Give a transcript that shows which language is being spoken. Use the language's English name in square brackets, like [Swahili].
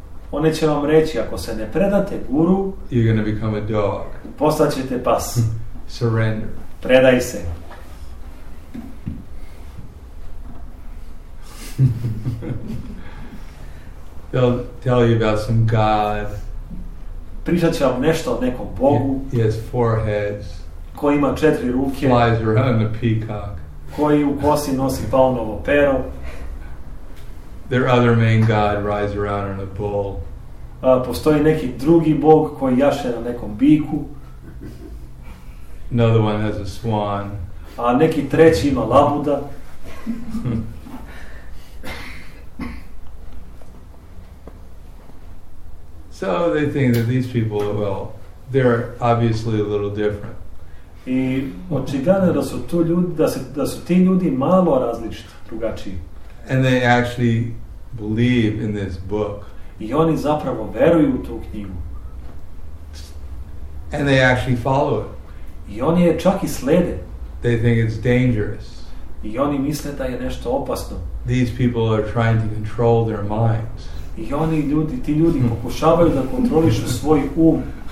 [Serbian] One će vam reći ako se ne predate guru, [English] you're going to become a dog. [Serbian] Postaćete pas. [English] Surrender. [Serbian] Predaj se. [English] They'll tell you about some god. [Serbian] Pričat će vam nešto o nekom bogu. [English] He has four heads. [Serbian] Koji ima četiri ruke. [English] Flies around a peacock. [Serbian] Koji u kosi nosi paunovo pero. [English] Their other main god rides around on a bull. [Serbian] Postoji neki drugi bog koji jaše na nekom biku. [English] Another one has a swan. [Serbian] A neki treći ima labuda. [English] So they think that these people, well, they're obviously a little different. [Serbian] I očigledno da su tu ljudi, da su ti ljudi malo različiti, drugačiji. [English] And they actually believe in this book. [Serbian] I oni zapravo veruju u tu knjigu. [English] And they actually follow it. [Serbian] I oni je čak i slede. [English] They think it's dangerous. [Serbian] I oni misle da je nešto opasno. [English] These people are trying to control their minds. [Serbian] I oni ljudi, ti ljudi pokušavaju da kontrolišu svoj um.